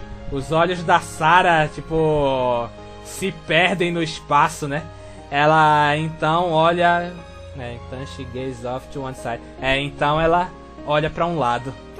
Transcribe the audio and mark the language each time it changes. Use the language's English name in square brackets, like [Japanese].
[Portuguese] Os olhos da Sarah, tipo, se perdem no espaço, né? Ela, então, olha... então, [English] she gazes off to one side. [Portuguese] Então, ela olha pra um lado.